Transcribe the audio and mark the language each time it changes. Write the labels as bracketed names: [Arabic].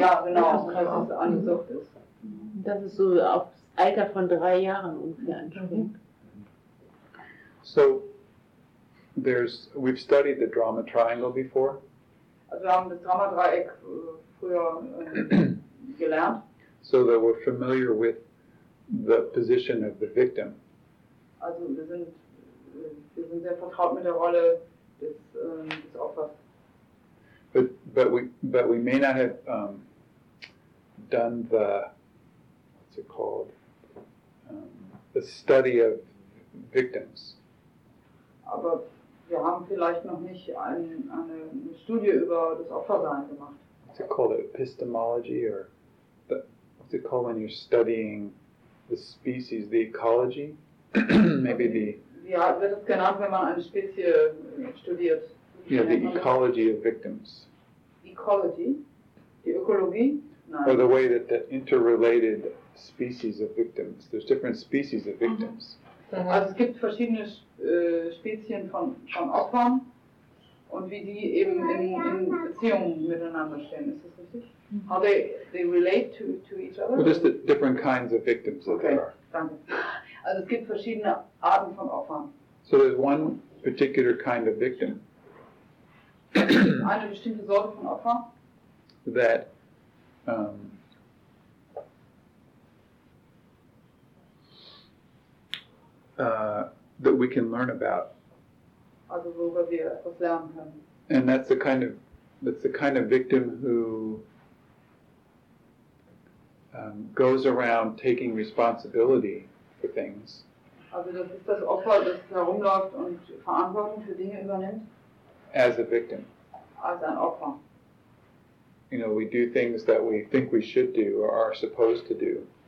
[German] Ja, genau, dass es eine Sucht ist. Das ist so aufs Alter von 3 Jahren ungefähr entspringt. [English] So, we've studied the drama triangle before. [German] Also, wir haben das Drama-Dreieck früher gelernt. [English] So that we're familiar with the position of the victim. [German] Also, wir sind sehr vertraut mit der Rolle des Opfers. [English] But we may not have done the, what's it called, the study of victims. [German] Aber wir haben vielleicht noch nicht eine Studie über das Opfersein gemacht. [English] What's it called, epistemology, or what's it called when you're studying the species, the ecology? Maybe the... [German] Ja, wird es genannt, wenn man eine Spezie studiert. [English] Yeah, the ecology of victims. [German] Ecology? Die Ökologie? Nein. [English] Or the way that the interrelated species of victims. There's different species of victims. Mm-hmm. [German] Also es gibt verschiedene Spezien von Opfern und wie die eben in Beziehung miteinander stehen. Ist das richtig? Mm-hmm. [English] How they relate to each other? Well, just the different kinds of victims that okay. there are. [German] Danke. Also es gibt verschiedene Arten von Opfern. [English] So there's one particular kind of victim. [German] Eine bestimmte Sorte von Opfer. [English] That that we can learn about. [German] Also worüber wir etwas lernen können. [English] And that's the kind of victim who goes around taking responsibility for things. [German] Also das ist das Opfer, das herumläuft und Verantwortung für Dinge übernimmt. [English] As a victim. [German] Als ein Opfer. [English] You know, we do things that we think we should do or are supposed to do.